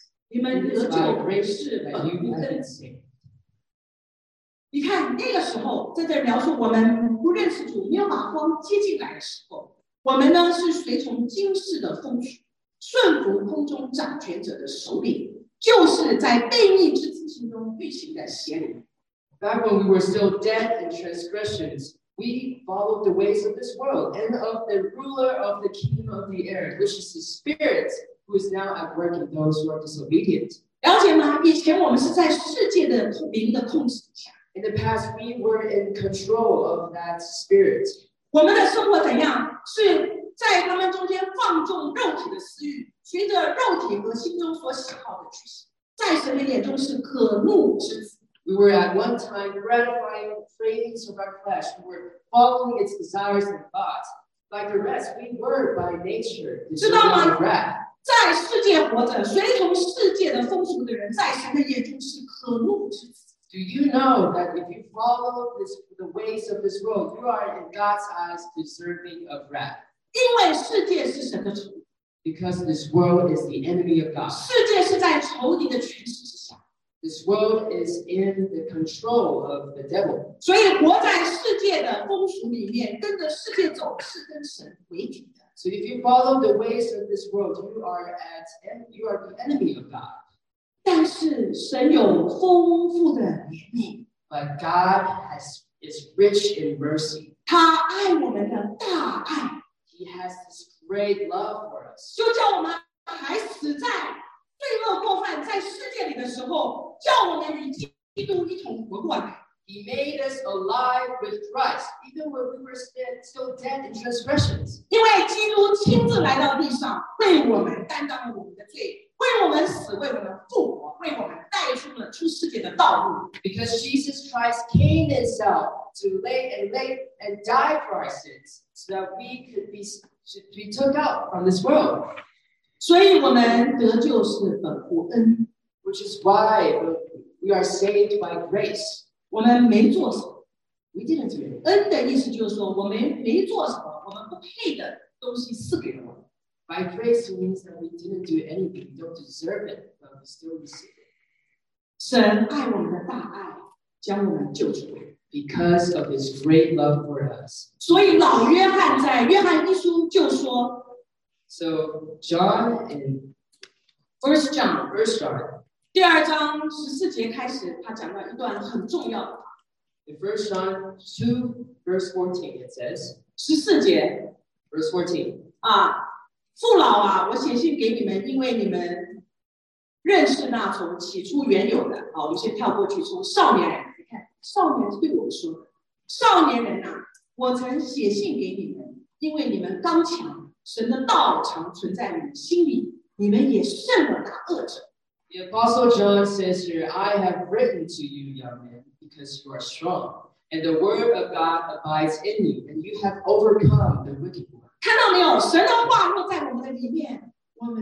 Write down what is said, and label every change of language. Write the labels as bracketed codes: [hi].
[zh] 你们得救是本乎恩典。你看那个时候，在这描述我们不认识主，没有把光接进来的时候，我们呢是随从今世的风俗，顺服空中掌权者的首领，就是在悖逆之子心中运行的邪灵。 [en] Back when we were still dead in transgressions, we followed the ways of this world and of the ruler of the kingdom of the air, which is the spirit who is now at work in those who are disobedient. [zh] 了解吗？以前我们是在世界的灵的控制下。 [en] In the past, we were in control of that spirit. [zh] 我们的生活怎样？是在他们中间放纵肉体的私欲，随着肉体和心中所喜好的去行，在神的眼中是可怒之子。 [en] We were at one time gratifying the cravings of our flesh. We were following its desires and thoughts. Like the rest, we were by nature disobedient to wrath. [zh] 在世界活着，随从世界的风俗的人，在神的眼中是可怒之子。 [en] Do you know that if you follow this, the ways of this world, you are in God's eyes deserving of wrath? [zh] 因为世界是神的仇敌。 [en] Because this world is the enemy of God. [zh] 世界是在仇敌的权势之下。 [en] This world is in the control of the devil. [zh] 所以活在世界的风俗里面，跟着世界走，是跟神为敌的。 [en] So if you follow the ways of this world, you are the enemy of God. [zh] 但是神有丰富的怜悯。 [en] But God is rich in mercy. [zh] 他爱我们的大爱。 [en] He has this great love for us. [zh] 就叫我们还死在罪恶过犯在世界里的时候，叫我们与基督一同活过来。 [en] He made us alive with Christ, even when we were still dead in transgressions. [zh] 因为基督亲自来到地上，为我们担当了我们的罪，为我们死，为我们复活，为我们带出了出世界的道路。 [en] Because Jesus Christ came Himself to lay and die for our sins, so that we could be took out from this world. [zh] 所以我们得救是本乎恩。 [en] Which is why we are saved by grace. [zh] 我们没做什么。 [en] We didn't do it. [zh] 恩的意思就是说我们没做什么，我们不配的东西赐给了我们。 [en] By grace means that we didn't do anything. We don't deserve it, but we still receive it. [zh] 神爱我们的大爱，将我们救出来。 [en] Because of His great love for us. [zh] 所以老约翰在约翰一书就说。 [en] So John in First John, [zh] 第二章十四节开始，他讲了一段很重要的。 [en] In First John 2, verse 14, it says. [zh] 十四节。 [en] Verse 14. 啊。 [zh] 父老啊，我写信给你们，因为你们认识那从起初原有的。好，我们先跳过去，从少年人，你看，少年是对我说，少年人啊，我曾写信给你们，因为你们刚强，神的道常存在你们心里，你们也胜了那恶者。 [en] The Apostle John says here, I have written to you, young men, because you are strong, and the word of God abides in you, and you have overcome the wicked one. [zh] 看到没有，神的话落在我们的里面，我